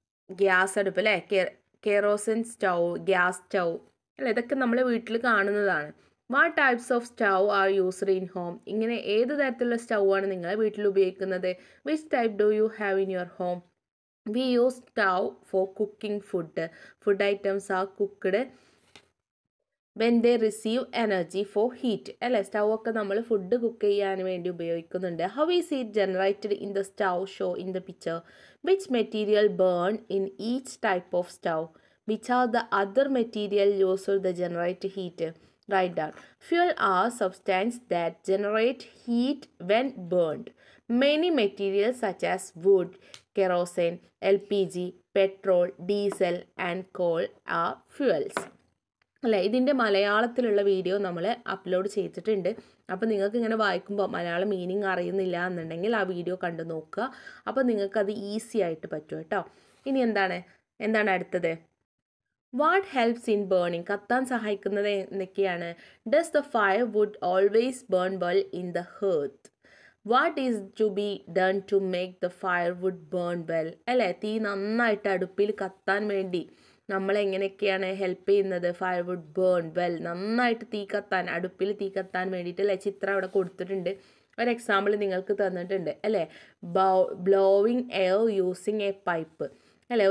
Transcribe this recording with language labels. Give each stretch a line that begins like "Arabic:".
Malayalam: Gas അടുപ്പ് അല്ലേ, കേറോസിൻ stove, gas stove, അല്ലേ? ഇതൊക്കെ നമ്മളെ വീട്ടിൽ കാണുന്നതാണ്.
English: What types of stove are used in home?
Malayalam: ഇങ്ങനെ ഏത് തരത്തിലുള്ള സ്റ്റൗ ആണ് നിങ്ങൾ വീട്ടിൽ ഉപയോഗിക്കുന്നത്?
English: Which type do you have in your home? We use stove for cooking food. Food items are cooked when they receive energy for heat.
Malayalam: അല്ലേ? Stove ഒക്കെ നമ്മൾ ഫുഡ് കുക്ക് ചെയ്യാൻ വേണ്ടി ഉപയോഗിക്കുന്നുണ്ട്.
English: How is heat generated in the stove show in the picture? Which material burn in each type of stove? Which are the other material used to generate heat? Write down. Fuel are substances that generate heat when burned. Many materials such as wood, kerosene, LPG, petrol, diesel and coal are fuels.
Malayalam: അല്ലേ? ഇതിൻ്റെ മലയാളത്തിലുള്ള video നമ്മൾ upload ചെയ്തിട്ടുണ്ട്. അപ്പോൾ നിങ്ങൾക്ക് ഇങ്ങനെ വായിക്കുമ്പോൾ Malayalam meaning അറിയുന്നില്ല എന്നുണ്ടെങ്കിൽ ആ വീഡിയോ കണ്ടു നോക്കുക. അപ്പോൾ നിങ്ങൾക്കത് ഈസി ആയിട്ട് പറ്റും കേട്ടോ. ഇനി എന്താണ്, എന്താണ് അടുത്തത്?
English: What helps in burning?
Malayalam: കത്താൻ സഹായിക്കുന്നത് എന്തൊക്കെയാണ്?
English: Does the fire wood always burn well in the hearth? What is to be done to make the firewood burn well?
Malayalam: അല്ലേ, തീ നന്നായിട്ട് അടുപ്പിൽ കത്താൻ വേണ്ടി നമ്മളെങ്ങനെയൊക്കെയാണ് ഹെൽപ്പ് ചെയ്യുന്നത്?
English: firewood burn well,
Malayalam: നന്നായിട്ട് തീ കത്താൻ, അടുപ്പിൽ തീ കത്താൻ വേണ്ടിയിട്ട്. അല്ലേ, ചിത്രം അവിടെ കൊടുത്തിട്ടുണ്ട്, ഒരു എക്സാമ്പിൾ നിങ്ങൾക്ക് തന്നിട്ടുണ്ട്.
English: അല്ലേ, blowing air using a pipe, അല്ലേ?